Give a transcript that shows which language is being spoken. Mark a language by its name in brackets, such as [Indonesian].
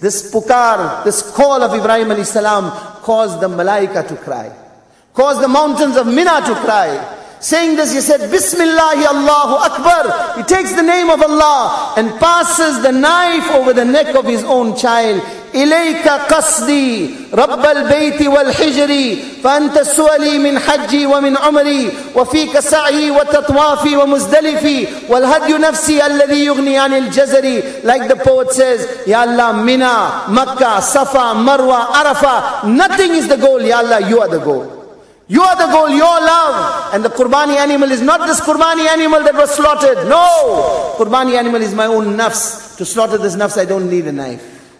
[English] This pukar, this call of Ibrahim alayhi salam caused the malaika to cry. Caused the mountains of Mina to cry. Saying this, he said, Bismillahi Allahu Akbar. He takes the name of Allah and passes the knife over the neck of his own child. [Arabic] إليك قصدي رب البيت والحجر فأنت سؤلي من حجي ومن عمري وفيك سعي وتطوافي ومزدلفي والهدي نفسي الذي يغني عن الجزر. [English] Like the poet says, Ya Allah, Mina, Makkah, Safa, Marwa, Arafa, nothing is the goal. Ya Allah, you are the goal. You are the goal, your love. And the Qurbani animal is not this Qurbani animal that was slaughtered. No! Qurbani animal is my own nafs. To slaughter this nafs, I don't need a knife.